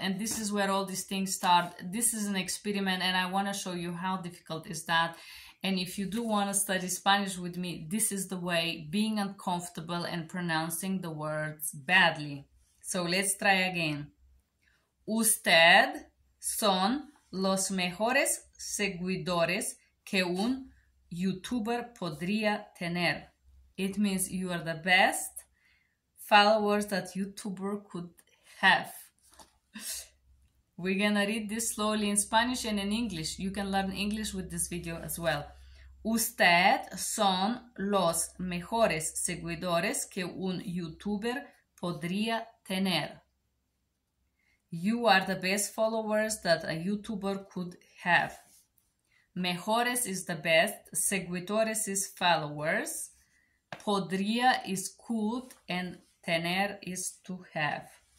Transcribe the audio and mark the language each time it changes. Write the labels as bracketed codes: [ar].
[en] And this is where all these things start. This is an experiment, and I wanna show you how difficult is that. And if you do wanna study Spanish with me, this is the way, being uncomfortable and pronouncing the words badly. So let's try again. [es] Usted son los mejores seguidores que un YouTuber podría tener. [en] It means you are the best followers that YouTuber could have. We're gonna read this slowly in Spanish and in English. You can learn English with this video as well. [es] Usted son los mejores seguidores que un YouTuber podría tener. [en] You are the best followers that a YouTuber could have. Mejores is the best. Seguidores is followers. Podría is could and tener is to have.